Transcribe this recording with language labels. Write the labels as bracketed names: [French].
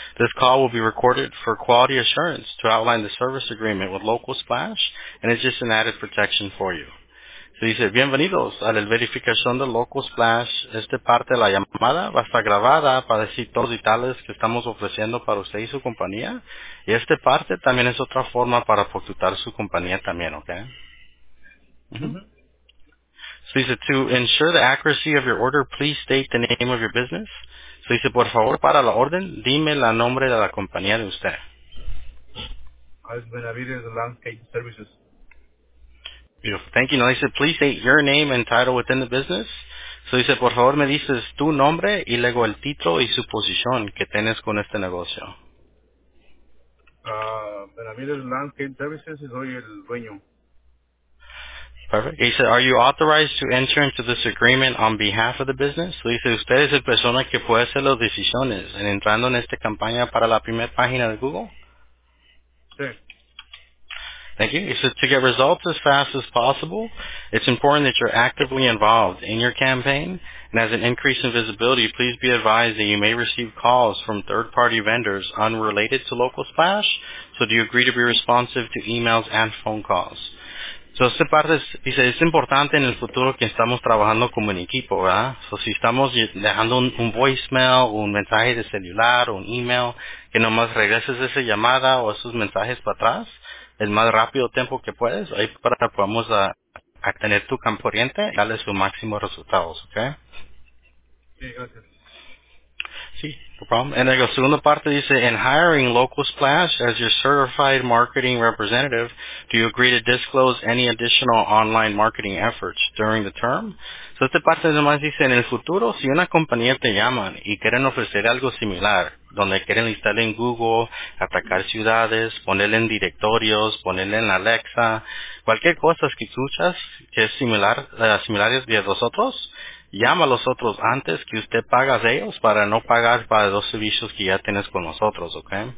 [English] This call will be recorded for quality assurance to outline the service agreement with Local Splash, and it's just an added protection for you. So he said, [Spanish] bienvenidos a la verificación de Local Splash. Esta parte de la llamada va a estar grabada para decir todos los detalles que estamos ofreciendo para usted y su compañía. Y esta parte también es otra forma para aportar su compañía también, ¿ok? [English] So he said, to ensure the accuracy of your order, please state the name of your business. So he said, [Spanish] por favor, para la orden, dime el nombre de la compañía de usted. [English] As Benavides Landscape Services. Beautiful. Thank you. Now he said, please state your name and title within the business. So he said, [Spanish] por favor, me dices tu nombre y luego el título y su posición que tienes con este negocio. Benavides Landscape Services, soy el dueño. [English] Perfect. He said, are you authorized to enter into this agreement on behalf of the business? So he said, [Spanish] usted es la persona que puede hacer las decisiones en entrando en esta campaña para la primera página de Google. Sí. [English] Thank you. He said, to get results as fast as possible, it's important that you're actively involved in your campaign. And as an increase in visibility, please be advised that you may receive calls from third-party vendors unrelated to Local Splash. So do you agree to be responsive to emails and phone calls? [Spanish] So esta parte dice, es importante en el futuro que estamos trabajando como un equipo, ¿verdad? So si estamos dejando un voicemail, un mensaje de celular, un email, que nomás regreses esa llamada o esos mensajes para atrás, el más rápido tiempo que puedes, ahí para que podamos a tener tu campo oriente y darle sus máximos resultados, ¿ok? Sí, gracias. Sí, [English] no problem. [Spanish] En la segunda parte dice, [English] in hiring Local Splash as your certified marketing representative, do you agree to disclose any additional online marketing efforts during the term? [Spanish] So esta parte nomás dice, en el futuro, si una compañía te llama y quieren ofrecer algo similar, donde quieren instalar en Google, atacar ciudades, ponerle en directorios, ponerle en Alexa, cualquier cosa que escuchas que es similar, similares de nosotros, llama a los otros antes que usted pague a ellos para no pagar para los servicios que ya tienes con nosotros, ¿ok?